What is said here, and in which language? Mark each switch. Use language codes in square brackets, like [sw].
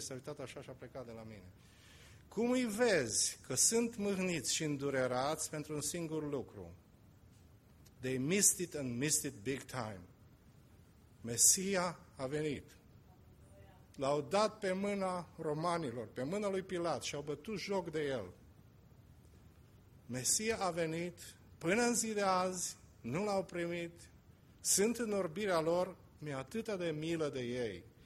[ro] S-a uitat așa și a plecat de la mine. Cum îi vezi că sunt mâhniți și îndurerați pentru un singur lucru? [en] They missed it and missed it big time. [ro] Mesia a venit. L-au dat pe mâna romanilor, pe mâna lui Pilat și au bătut joc de el. Mesia a venit, până în zi de azi, nu l-au primit, sunt în orbirea lor, mi-e atâta de milă de ei.